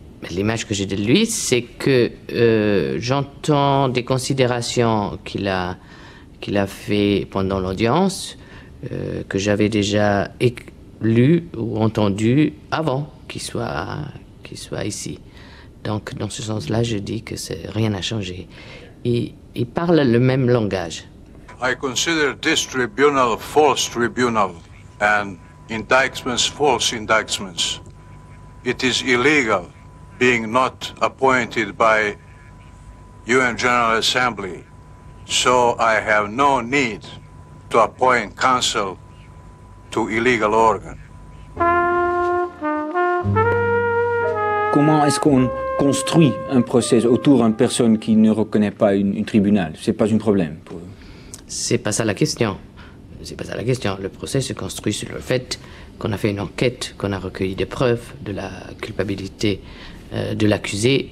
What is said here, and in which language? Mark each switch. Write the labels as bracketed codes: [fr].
[fr] L'image que j'ai de lui, c'est que j'entends des considérations qu'il a fait pendant l'audience que j'avais déjà lues ou entendues avant qu'il soit ici. Donc, dans ce sens-là, je dis que c'est, rien n'a changé. Il parle le même langage. [en] I consider this tribunal a false tribunal and indictments false indictments. It is illegal being not appointed by UN General Assembly. So I have no need to appoint counsel to illegal organ. [fr] Comment est-ce qu'on construit un procès autour d'une personne qui ne reconnaît pas un tribunal. C'est pas un problème pour eux. C'est pas ça la question. C'est pas ça la question. Le procès se construit sur le fait qu'on a fait une enquête, qu'on a recueilli des preuves de la culpabilité de l'accusé.